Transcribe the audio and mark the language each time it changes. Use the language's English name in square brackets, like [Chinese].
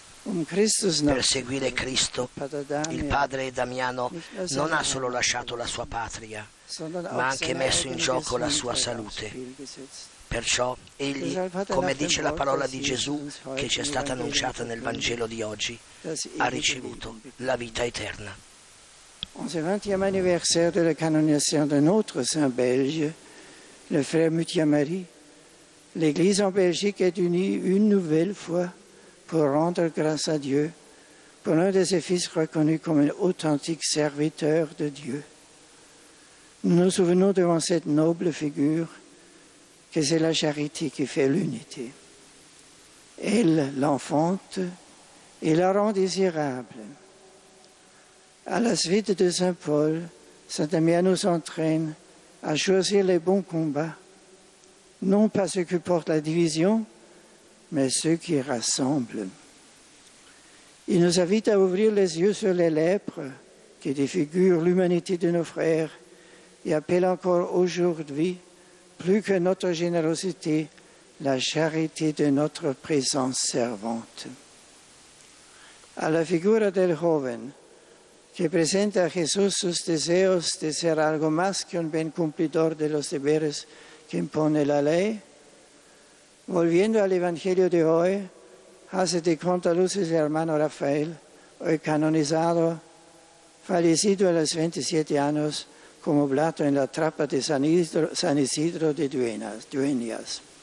[Italian] Per seguire Cristo, il padre Damiano non ha solo lasciato la sua patria, ma ha anche messo in gioco la sua salute. Perciò egli, come dice la parola di Gesù che ci è stata annunciata nel Vangelo di oggi, ha ricevuto la vita eterna. Al 20° anniversario della canonizzazione di nostro [French] Saint Belge, le frère Mutia Marie, l'Église en Belgique est unie une nouvelle fois pour rendre grâce à Dieu pour l'un de ses fils reconnu comme un authentique serviteur de Dieu. Nous nous souvenons devant cette noble figure que c'est la charité qui fait l'unité. Elle l'enfante et la rend désirable. À la suite de Saint Paul, Saint Damien nous entraîne à choisir les bons combats, non pas ceux qui portent la division, mais ceux qui rassemblent. Il nous invite à ouvrir les yeux sur les lèpres qui défigurent l'humanité de nos frères et appelle encore aujourd'hui, plus que notre générosité, la charité de notre présence servante. [Spanish] À la figura del joven, que presenta a Jesús sus deseos de ser algo más que un buen cumplidor de los deberes que impone la ley, volviendo al Evangelio de hoy, hace de contraluces el hermano Rafael, hoy canonizado, fallecido a los 27 años, como oblato en la trapa de San Isidro de Dueñas.